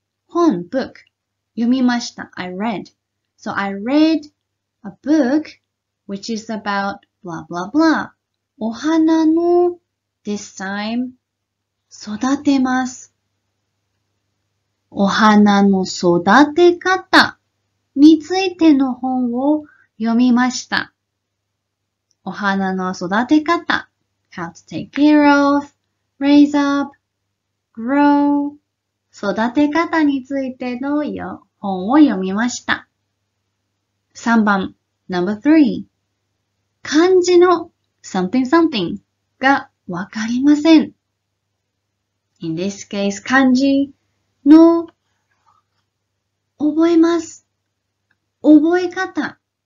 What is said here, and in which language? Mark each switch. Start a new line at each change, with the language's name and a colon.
Japanese: 本、
English: book
Japanese: 読みました。
English: I read. So I read a book which is about blah blah blah.
Japanese: お花の
English: this time
Japanese: 育てます。お花の育て方についての本を読みました。お花の育て方。
English: How to take care of, raise up, grow.
Japanese: 育て方についての本を読みました。 3番、
English: number 3. 漢字の something something
Japanese: がわかりません。
English: In this case, 漢字の
Japanese: 覚えます。覚え方。